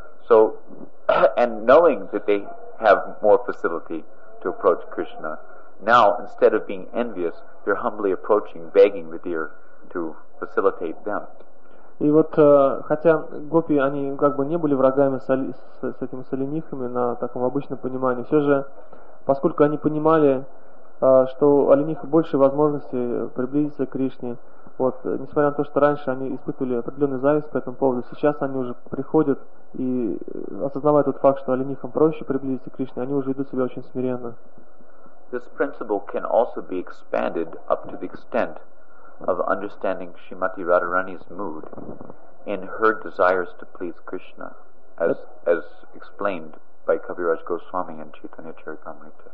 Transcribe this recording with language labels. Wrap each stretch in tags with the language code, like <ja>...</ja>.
<en>So, and knowing that they have more facility to approach Krishna, Now, instead of being envious, they're humbly approaching, begging the deer to facilitate them.</en> <ru>И вот хотя гопи они как бы не были врагами с этими оленихами на таком обычном понимании, все же, поскольку они понимали, что у олениха больше возможностей приблизиться к Кришне, вот, несмотря на то, что раньше они испытывали определенную зависть по этому поводу, сейчас они уже приходят и осознавая тот факт, что оленихам проще приблизиться к Кришне, они уже ведут себя очень смиренно.</ru> <en>This principle can also be expanded up to the extent of understanding Srimati Radharani's mood and her desires to please Krishna, as explained by Kaviraj Goswami and Chaitanya Charitamrita.</en>